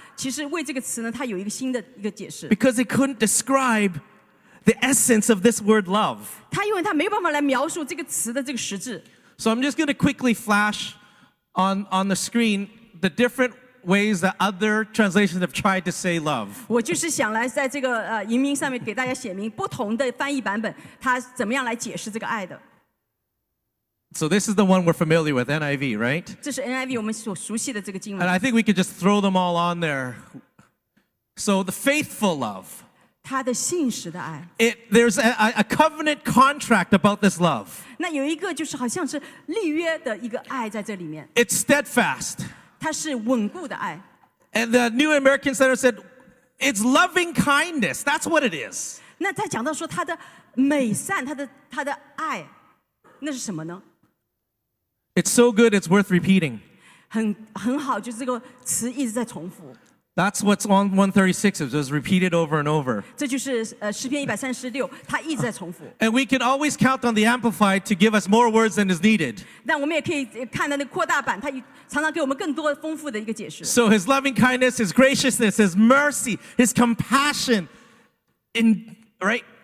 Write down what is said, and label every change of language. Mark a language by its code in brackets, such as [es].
[zh] 那其实在美国那个新译本里面呢，它其实为这个词呢，它有一个新的一个解释。 [en] Because it couldn't describe the essence of this word love. [zh] 它因为它没有办法来描述这个词的这个实质。 [en] So I'm just going to quickly flash on the screen the different ways that other translations have tried to say love. [zh] 我就是想来在这个荧幕上面给大家写明不同的翻译版本，它怎么样来解释这个爱的。 [en] So this is the one we're familiar with, NIV, right? [zh] 这是NIV我们所熟悉的这个经文。 [en] And I think we could just throw them all on there. So the faithful love. [zh] 他的信实的爱。 [en] It, there's a covenant contract about this love. [zh] 那有一个就是好像是立约的一个爱在这里面。 [en] It's steadfast. [zh] 它是稳固的爱。 [en] And the New American Standard said, it's loving kindness, that's what it is. [zh] 那他讲到说他的美善,他的爱, 那是什么呢? [en] It's so good, it's worth repeating. [zh] 很好,就是这个词一直在重复。 [en] That's what Psalm 136 is, it was repeated over and over. [zh] 这就是诗篇136,它一直在重复。 [en] And we can always count on the Amplified to give us more words than is needed. [zh] 但我们也可以看到那个扩大版,它常常给我们更多丰富的一个解释。 [en] So his loving kindness, his graciousness, his mercy, his compassion, in, right?